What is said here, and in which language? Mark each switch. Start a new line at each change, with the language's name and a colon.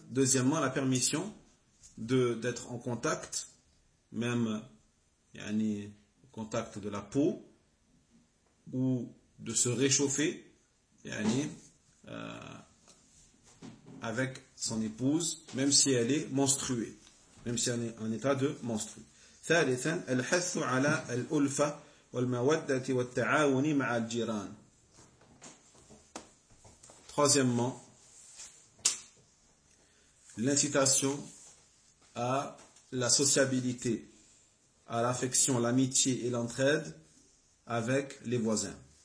French: Deuxièmement, la permission d'être en contact, même yani contact de la peau ou de se réchauffer avec son épouse, même si elle est menstruée, même si elle est en état de menstrue.
Arabic: ثالثا الحث على الألفة والمودة والتعاون مع الجيران.
French: Troisièmement, l'incitation à la sociabilité, à l'affection, l'amitié et l'entraide avec les voisins.